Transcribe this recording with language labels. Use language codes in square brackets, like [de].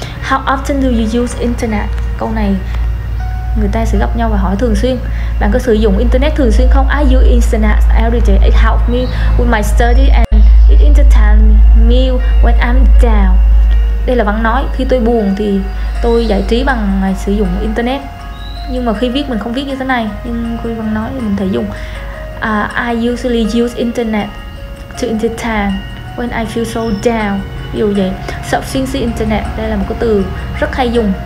[en] How often do you use internet? [vi] Câu này người ta sẽ gặp nhau và hỏi thường xuyên. Bạn có sử dụng internet thường xuyên không? [en] I use internet every day. It helps me with my study and it entertains me when I'm down. [vi] Đây là văn nói, khi tôi buồn thì tôi giải trí bằng sử dụng internet. Nhưng mà khi viết mình không viết như thế này, nhưng khi văn nói thì mình thể dùng. [en] I usually use internet to entertain when I feel so down. [vi] Ví dụ vậy, [en] surfing the internet, [vi] đây là một cái từ rất hay dùng.